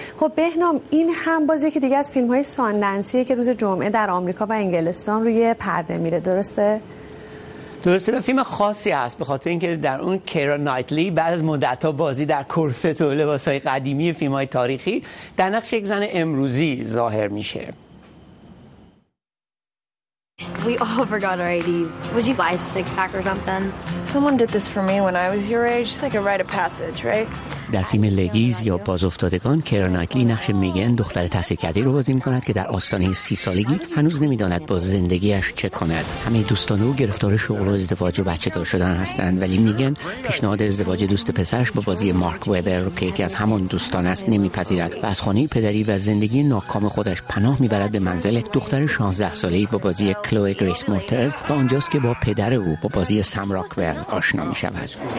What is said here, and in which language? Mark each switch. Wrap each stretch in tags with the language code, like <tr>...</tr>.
<fa>خب بهنام، این هم باز یکی دیگه از فیلم‌های ساندنسیه که روز جمعه در آمریکا و انگلستان روی پرده میره، درسته؟ درسته، فیلم خاصی هست به خاطر اینکه در اون کیرا نایتلی بعد از مدت ها بازی در کرست و لباس‌های قدیمی فیلم‌های تاریخی در نقش یک زن امروزی ظاهر میشه.</fa> <en>We all forgot our IDs. Would you buy a six-pack or something? Someone did this for me when I was your age. Just like a rite of passage, right?</en> <fa>در فیلم لگیز یا بازافتادگان کیرا نایتلی نقش میگن دختر تحصیل‌کرده‌ای رو بازی می‌کند که در آستانه 30 سالگی هنوز نمی‌داند با زندگیش چه کند. همه دوستان او گرفتار شغل و ازدواج و بچه‌دار شدن هستند، ولی میگن پیشنهاد ازدواج دوست پسرش با بازی مارک وبر که یکی از همان دوستان است نمی‌پذیرد و از خانه پدری و زندگی ناکام خودش پناه می‌برد به منزل دختر 16 ساله‌ای با بازی کلوئه گریس مورتز و آنجاست که با پدر او با بازی سم راکول آشنا می‌شود.</fa>